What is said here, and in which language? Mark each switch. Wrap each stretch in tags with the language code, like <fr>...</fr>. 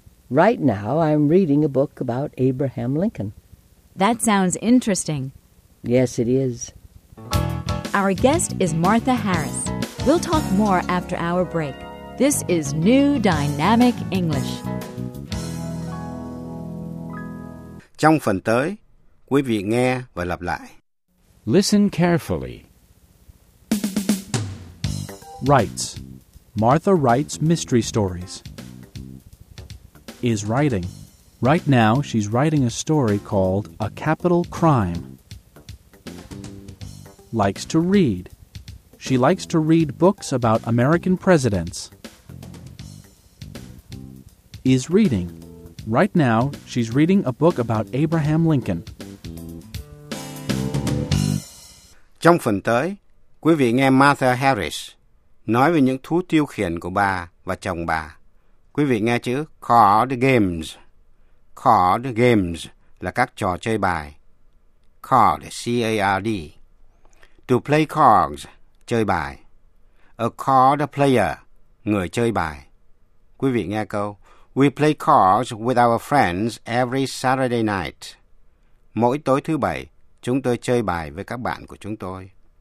<en>Right now, I'm reading a book about Abraham Lincoln. That sounds interesting. Yes, it is. Our guest is Martha Harris. We'll talk more after our break. This is New Dynamic English.</en> <vi>Trong phần tới, quý vị nghe và lặp lại.</vi> <en>Listen carefully. Writes. Martha writes mystery stories. Is writing. Right now, she's writing a story called A Capital Crime. Likes to read. She likes to read books about American presidents. Is reading. Right now, she's reading a book about Abraham Lincoln.</en> <vi>Trong phần tới, quý vị nghe Martha Harris nói về những thú tiêu khiển của bà và chồng bà. Quý vị nghe chữ card games. Card games là các trò chơi bài.</vi> <en>Card, C-A-R-D. To play cards,</en> <vi>chơi bài.</vi> <en>A card player,</en> <vi>người chơi bài. Quý vị nghe câu.</vi> <en>We play cards with our friends every Saturday night.</en> <vi>Mỗi tối thứ bảy, chúng tôi chơi bài với các bạn của chúng tôi.</vi>